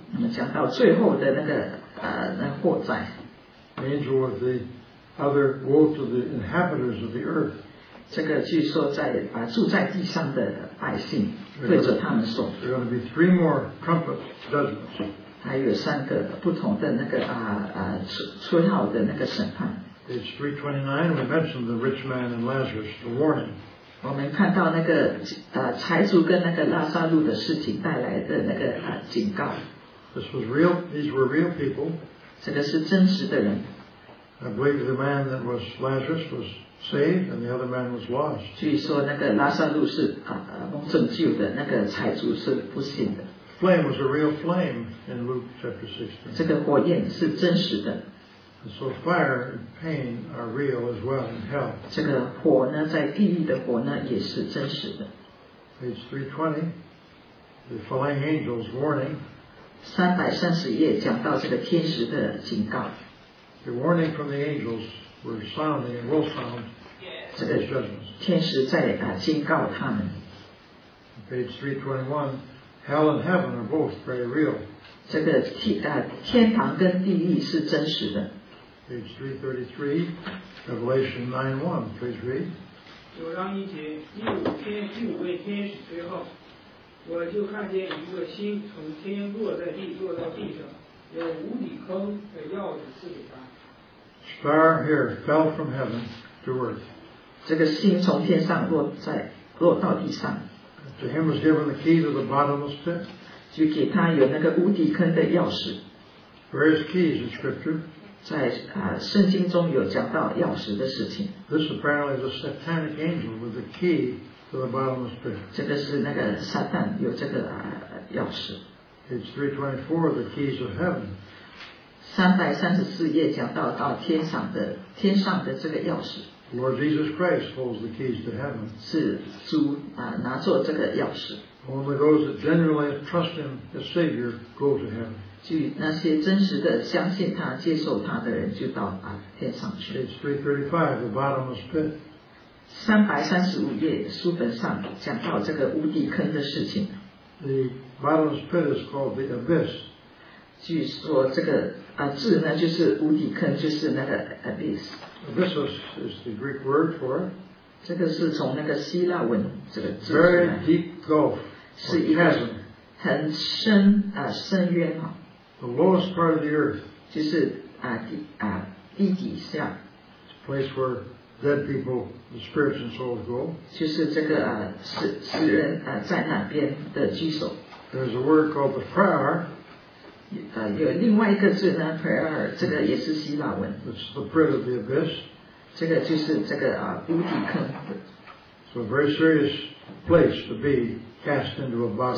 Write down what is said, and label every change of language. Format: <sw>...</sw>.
<zh>那么讲到最后的那个祸灾。</zh> <en>The angel of the other woe to the inhabitants of the earth.</en> <zh>这个据说在住在地上的百姓对着他们说。</zh> <en>There are going to be three more trumpet judgments.</en> <zh>还有三个不同的那个出号的那个审判。</zh> <en>It's 329. We mentioned the rich man and Lazarus, the warning.</en> <zh>我们看到那个财主跟那个拉撒路的事情带来的那个警告。</zh> <en>This was real. These were real people.</en> <zh>这个是真实的人。</zh> <en>I believe the man that was Lazarus was saved, and the other man was lost.</en> <zh>据说那个拉撒路是蒙拯救的，那个财主是不信的。</zh> <en>Flame was a real flame in Luke chapter 16.</en> <zh>这个火焰是真实的。</zh> <en>And so fire and pain are real as well in hell.</en> <zh>这个火呢，在地狱的火呢，也是真实的。</zh> <en>Page 320, the flying angel's warning.</en> <zh>330页讲到这个天使的警告。</zh> <en>The warning from the angels were sounding and will sound.</en> <zh>这个天使在警告他们。</zh> <en>Page 321. Hell and heaven are both very real.</en> <zh>这个天堂跟地狱是真实的。</zh> <en>Page 333, Revelation 9:1, please read.</en> <zh>9:1, 第五位天使吹号，我就看见一个星从天落在地，落到地上，有无底坑的钥匙赐给他。</zh> <en>star here fell from heaven to earth.</en> <zh>这个星从天上落在落到地上。</zh> <en>To him was given the key to the bottomless pit.</en> <zh>就给他有那个无底坑的钥匙。</zh> <en>Various keys in scripture.</en> <zh>在圣经中有讲到钥匙的事情。</zh> <en>This apparently is a satanic angel with the key to the bottomless pit.</en> <zh>这个是那个撒旦有这个钥匙。</zh> <en>It's 324, the keys of heaven.</en> <zh>334页讲到到天上的天上的这个钥匙。</zh> <en>Lord Jesus Christ holds the keys to heaven.</en> <zh>是主拿着这个钥匙。</zh> <en>Only those that genuinely trust Him as Savior go to heaven.</en> <zh>就那些真实的相信他、接受他的人，就到天上去。</zh> <en>It's 335, the bottomless pit.</en> <zh>335页书本上讲到这个无底坑的事情。</zh> <en>The bottomless pit is called the abyss.</en> <zh>据说这个字呢，就是无底坑，就是那个 abyss。</zh> <en>Abyssus is the Greek word for it.</en> <zh>这个是从那个希腊文这个字。</zh> <en>Very deep gulf, chasm.</en> <zh>很深深渊啊。</zh> <en>The lowest part of the earth.</en> <zh>就是地底下。</zh> <en>It's a place where dead people, the spirits and souls go.</en> <zh>就是这个死人在那边的居所。</zh> <en>There's a word called the prayer.</en> <zh>有另外一个字呢 ，prayer， 这个也是希腊文。</zh> <en>It's the pit of the abyss.</en> <zh>这个就是这个无底坑。</zh> <en>It's a very serious place to be cast into a bottom.</en>